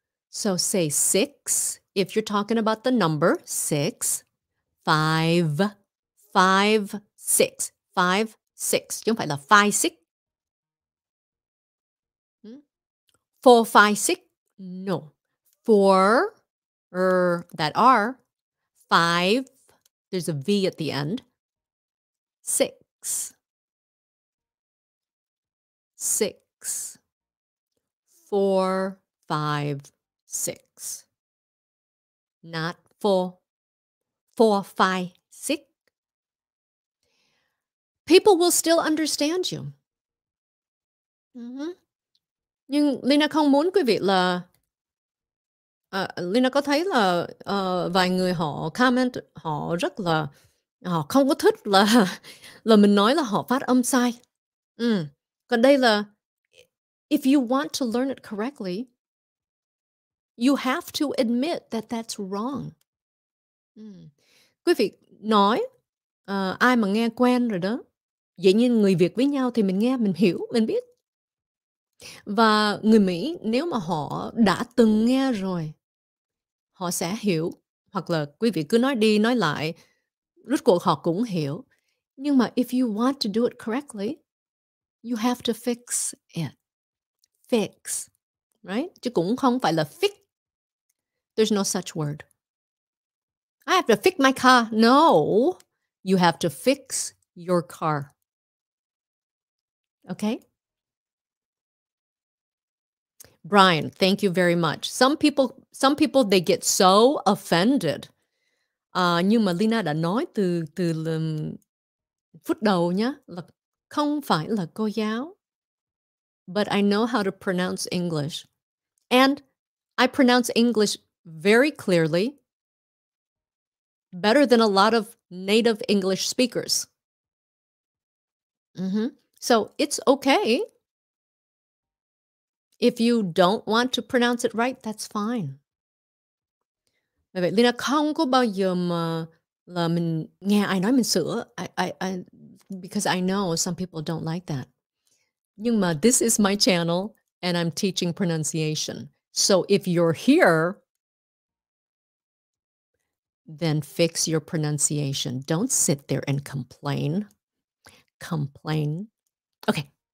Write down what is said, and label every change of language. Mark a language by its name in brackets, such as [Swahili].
[English] So say six if you're talking about the number six. Five. Five. Six, five, six. [Vietnamese] Chứ không phải là [English] five, six. Four, five, six. No. Four, that R. Five, there's a V at the end. Six. Six. Four, five, six. Not four. Four, five, six. People will still understand you. [Vietnamese] Nhưng Lina không muốn quý vị là Lina có thấy là vài người họ comment, họ rất là họ không có thích là mình nói là họ phát âm sai. Còn đây là [English] if you want to learn it correctly, you have to admit that that's wrong. [Vietnamese] Quý vị nói ai mà nghe quen rồi đó, dĩ nhiên người Việt với nhau thì mình nghe, mình hiểu, mình biết. Và người Mỹ nếu mà họ đã từng nghe rồi, họ sẽ hiểu. Hoặc là quý vị cứ nói đi nói lại, rốt cuộc họ cũng hiểu. Nhưng mà [English] if you want to do it correctly, you have to fix it. Fix, right? [Vietnamese] Chứ cũng không phải là fix. [English] There's no such word. I have to fix my car. No, you have to fix your car. Okay? Brian, thank you very much. Some people they get so offended. [Vietnamese] Nhưng mà Lina đã nói từ phút đầu nhá, là không phải là cô giáo. [English] But I know how to pronounce English. And I pronounce English very clearly. Better than a lot of native English speakers. So it's okay. If you don't want to pronounce it right, that's fine. [Vietnamese] Mà vậy, Lina không có bao giờ mà là mình nghe ai nói mình sửa. [English] I because I know some people don't like that. [Vietnamese] Nhưng mà [English] this is my channel and I'm teaching pronunciation. So if you're here, then fix your pronunciation. Don't sit there and complain. Complain. Okay.